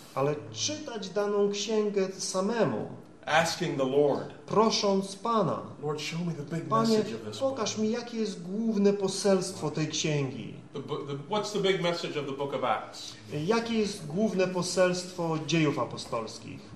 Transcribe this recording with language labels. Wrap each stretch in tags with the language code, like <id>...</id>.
<pl>Ale czytać daną księgę samemu.</pl> <en>Asking the Lord.</en> <pl>Prosząc Pana.</pl> <en>Lord, show me the big</en> <pl>Panie,</pl> <en>message of this book.</en> <pl>Pokaż mi, jakie jest główne poselstwo tej księgi.</pl> <en>What's the big message of the book of Acts?</en> <pl>Jakie jest główne poselstwo Dziejów Apostolskich?</pl>